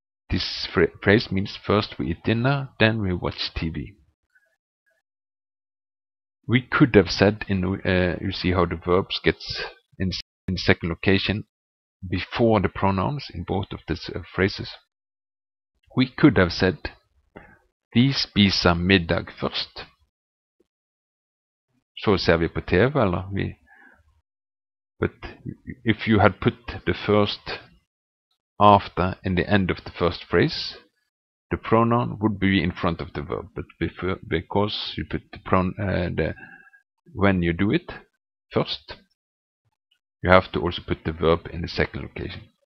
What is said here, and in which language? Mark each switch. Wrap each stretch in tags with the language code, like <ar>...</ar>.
<en>This phrase means first we eat dinner, then we watch TV. We could have said, you see how the verbs gets in second location before the pronouns in both of these phrases. We could have said</en> <no>vi spiser middag først, så ser vi på TV, eller vi.</no> <en>But if you had put the first after in the end of the first phrase, the pronoun would be in front of the verb. But because you put the pronoun when you do it first, you have to also put the verb in the second location.</en>